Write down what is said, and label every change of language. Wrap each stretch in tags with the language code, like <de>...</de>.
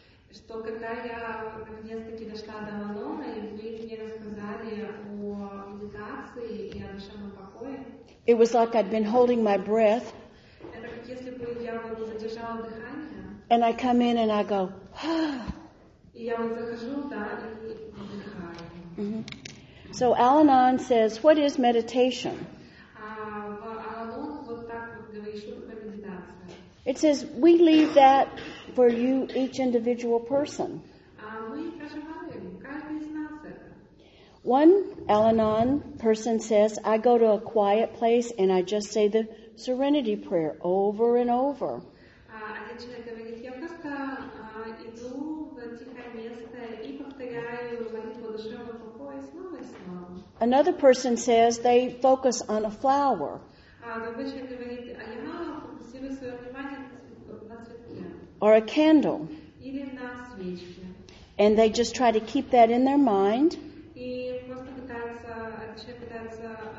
<ru>Что когда я наконец-таки дошла до Анона, и вы мне рассказали о медитации и о душевном покое.</ru> <en>It was like I'd been holding my breath.</en> <ru>Если бы я вот задержала дыхание.</ru> <en>And I come in and I go,</en> <ru>и я вот захожу, да, и выдыхаю.</ru> <en>So Al-Anon says, what is meditation?</en> <ru>Al-Anon вот так вот говорит, что такое медитация.</ru> <en>It says, we leave that for you, each individual person.</en> <ru>Мы проживаем, каждый из нас это.</ru> <en>One Al-Anon person says, I go to a quiet place and I just say the serenity prayer over and over.</en> <ru>Один человек говорит, я просто иду в тихое место и повторяю молитву душевного покоя снова и снова.</ru> <en>Another person says they focus on a flower.</en> <ru>Другой человек говорит, я фокусирую свое внимание на цветке.</ru> <en>Or a candle.</en> <ru>Или на свечке.</ru> <en>And they just try to keep that in their mind.</en> <ru>И просто пытаются, один человек пытается</ru>